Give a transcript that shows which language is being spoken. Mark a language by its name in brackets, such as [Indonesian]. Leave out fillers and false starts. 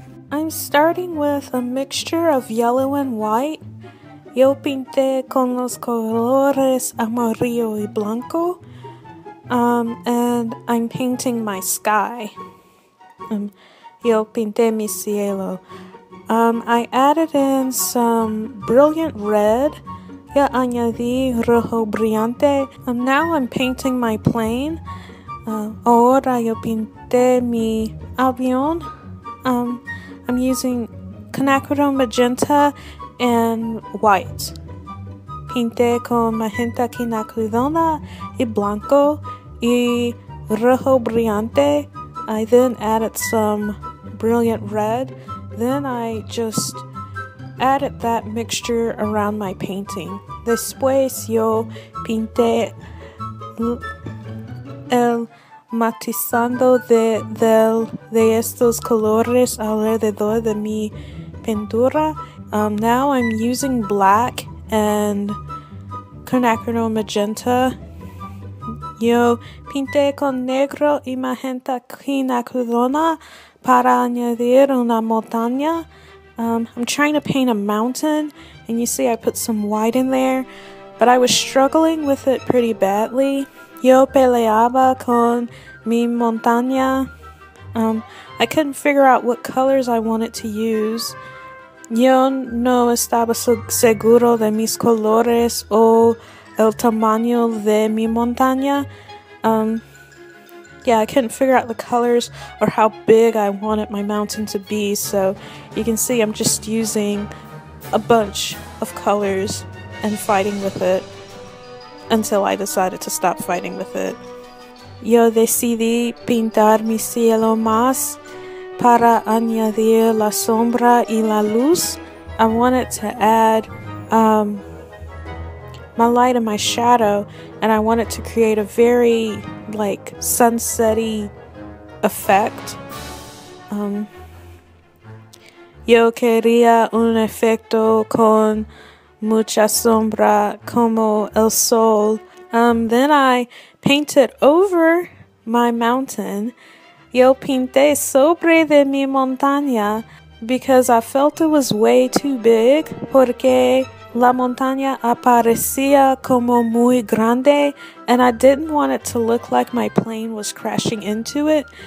[English] I'm starting with a mixture of yellow and white. [Spanish] Yo pinté con los colores amarillo y blanco. [English] And I'm painting my sky. [Spanish] Yo pinté mi cielo. [English] I added in some brilliant red. [Spanish] Ya añadí rojo brillante. [English] Now I'm painting my plane. [Spanish] Ahora yo pinté mi avión. [English] I'm using Quinacridone magenta and white. [Spanish] Pinté con magenta Quinacridona y blanco y rojo brillante. [English] I then added some brilliant red. Then I just added that mixture around my painting. [Spanish] Después yo pinté el matizando de estos colores alrededor de mi pintura. [English] Now I'm using black and quinacridone magenta. [Spanish] Yo pinté con negro y magenta quinacridona para añadir una montaña. [English] I'm trying to paint a mountain, and you see I put some white in there, but I was struggling with it pretty badly. [Spanish] Yo peleaba con mi montaña. [English] I couldn't figure out what colors I wanted to use. [Spanish] Yo no estaba seguro de mis colores o el tamaño de mi montaña. [English] Yeah, I couldn't figure out the colors or how big I wanted my mountain to be, so you can see I'm just using a bunch of colors and fighting with it until I decided to stop fighting with it. [Spanish] Yo decidí pintar mi cielo más para añadir la sombra y la luz. [English] I wanted to add my light and my shadow, and I wanted to create a very like sunset-y effect. [Spanish] Yo quería un efecto con mucha sombra como el sol. [English] Then I painted over my mountain. [Spanish] Yo pinté sobre de mi montaña [English] because I felt it was way too big, [Spanish] porque la montaña aparecía como muy grande, [English] and I didn't want it to look like my plane was crashing into it.